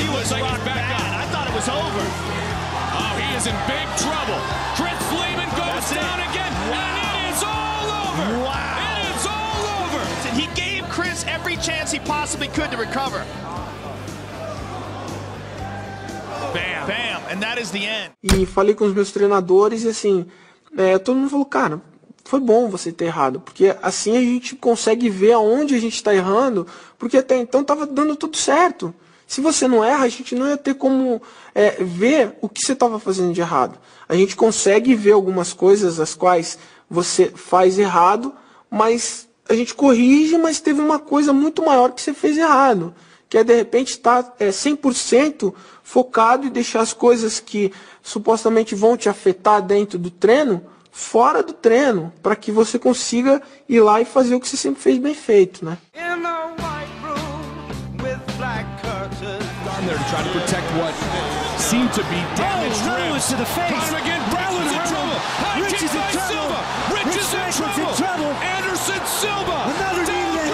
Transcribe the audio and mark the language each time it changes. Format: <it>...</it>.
<en>He was like rocked back on. I thought it was over. Oh, he is in big trouble. Chris Leben goes down again. Wow. And it is all over. Wow. It is all over. And he gave Chris every chance he possibly could to recover. Bam, and that is the end.</en> <pt>E falei com os meus treinadores e assim, todo mundo falou, cara, foi bom você ter errado, porque assim a gente consegue ver aonde a gente está errando, porque até então estava dando tudo certo. Se você não erra, a gente não ia ter como ver o que você estava fazendo de errado. A gente consegue ver algumas coisas as quais você faz errado, mas a gente corrige, mas teve uma coisa muito maior que você fez errado. Que é, de repente, estar 100% focado e deixar as coisas que supostamente vão te afetar dentro do treino, fora do treino, para que você consiga ir lá e fazer o que você sempre fez bem feito, né?</pt> <en>In a white room with black curtains. Down there to try to protect what seemed to be damaged. Oh, Rowan's to the face. Time again, Brown's in trouble. Rich is in trouble. Rich is in trouble. Anderson Silva. Another knee in the head.</en>